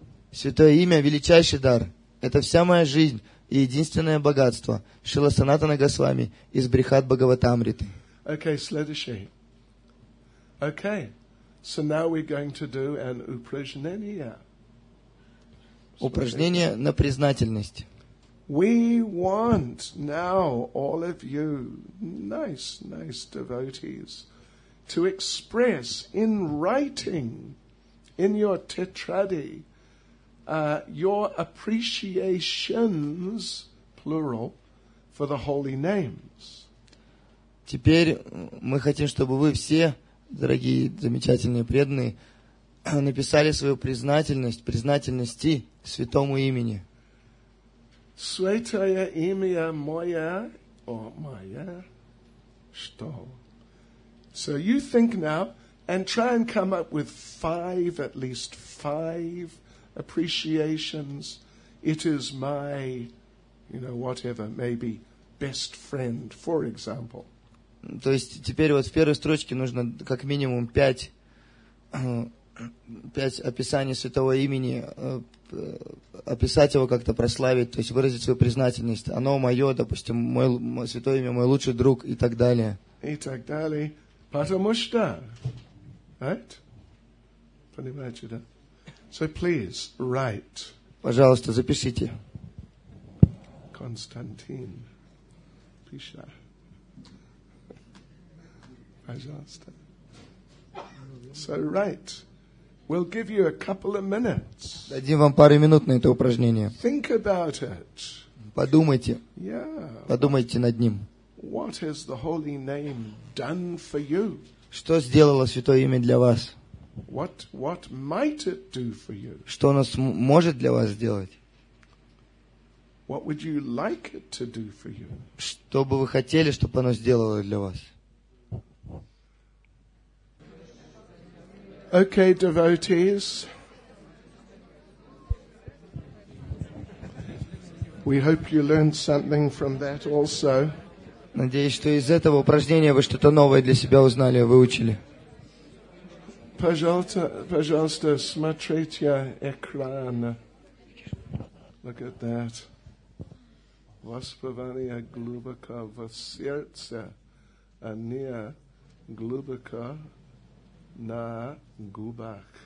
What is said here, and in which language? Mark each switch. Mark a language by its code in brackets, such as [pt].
[ru] Святое имя – величайший дар. Это вся моя жизнь и единственное богатство. Шила Санатана Госвами из Брихат Бхагаватамриты. [en] Okay, [ru] следующий. [en] Okay. So now we're going to do an [ru] упражнение. Упражнение на признательность. [en] We want now all of you nice, nice devotees to express in writing in your [ru] tetradi [en] your appreciations, plural, for the holy names. [ru] Теперь мы хотим, чтобы вы все, дорогие, замечательные, преданные, написали свою признательность, признательности святому имени. Святое имя мое, о, мое, что? [en] So you think now, and try and come up with five, at least five appreciations. It is my, you know, whatever, maybe best friend, for example. [ru] То есть теперь вот в первой строчке нужно как минимум пять описаний святого имени, описать его как-то, прославить, то есть выразить свою признательность. Оно мое, допустим, мой святое имя, мой лучший друг и так далее. И так далее. Потому что, [en] right? [ru] Понимаете, да? [en] So please, write. [ru] Пожалуйста, запишите. Константин, пиши. Пожалуйста. [en] So write. We'll give you a couple of minutes. [ru] Дадим вам пару минут на это упражнение. [en] Think about it. [ru] Подумайте. [en] Yeah. [ru] Подумайте над ним. [en] What has the holy name done for you? [ru] Что сделало святое имя для вас? [en] What might it do for you? [ru] Что оно может для вас сделать? [en] What would you like it to do for you? [ru] Что бы вы хотели, чтобы оно сделало для вас? [en] Okay, devotees. We hope you learned something from that also. [ru] Надеюсь, что из этого упражнения вы что-то новое для себя узнали, выучили. Пожалуйста, смотрите экран. [en] Look at that. [ru] Воспевание глубоко в сердце, а не глубоко на губах.